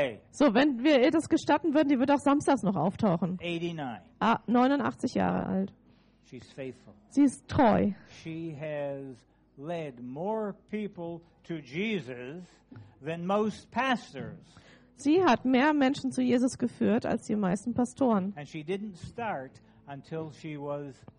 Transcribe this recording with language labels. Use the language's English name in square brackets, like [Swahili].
[German] so, wenn wir ihr das gestatten würden, die würde auch samstags noch auftauchen. 89 Jahre alt. [English] She's faithful. [German] Sie ist treu. [English] She has led more people to Jesus than most pastors. [German] Sie hat mehr Menschen zu Jesus geführt als die meisten Pastoren. [English] And she didn't start until she was